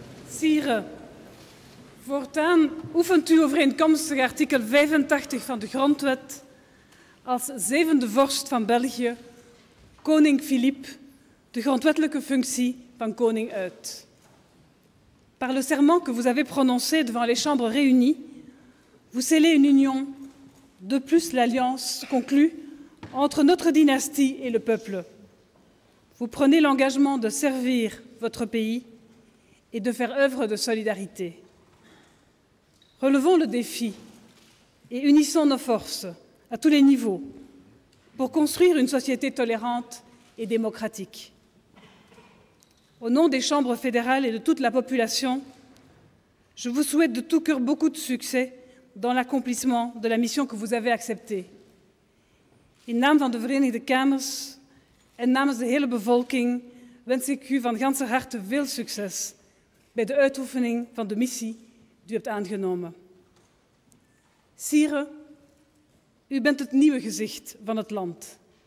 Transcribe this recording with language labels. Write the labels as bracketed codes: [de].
[nl] Sire, voortaan oefent u overeenkomstig artikel 85 van de Grondwet als zevende vorst van België, koning Philippe, de grondwettelijke functie van koning uit. [fr] Par le serment que vous avez prononcé devant les chambres réunies, vous scellez une union, de plus l'alliance conclue entre notre dynastie et le peuple. Vous prenez l'engagement de servir votre pays et de faire œuvre de solidarité. Relevons le défi et unissons nos forces à tous les niveaux pour construire une société tolérante et démocratique. Au nom des chambres fédérales et de toute la population, je vous souhaite de tout cœur beaucoup de succès dans l'accomplissement de la mission que vous avez acceptée. [nl] In naam van de Verenigde Kamers en namens de hele bevolking wens ik u van ganse harte veel succes bij de uitoefening van de missie die u hebt aangenomen. Sire, u bent het nieuwe gezicht van het land.